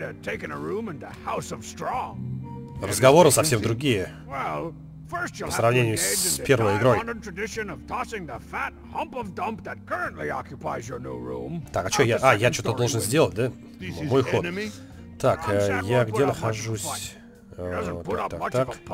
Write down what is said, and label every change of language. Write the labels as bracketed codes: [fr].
[en] Taking a room in the House of Straw. [ru] Разговоры совсем другие. [en] Well, first you'll [ru] по сравнению с первой игрой. [en] Tradition of tossing the fat hump of dump that currently occupies your new room. [ru] Так, а что я? А, я что-то должен сделать, да? Мой ход. Так, я где нахожусь? Так.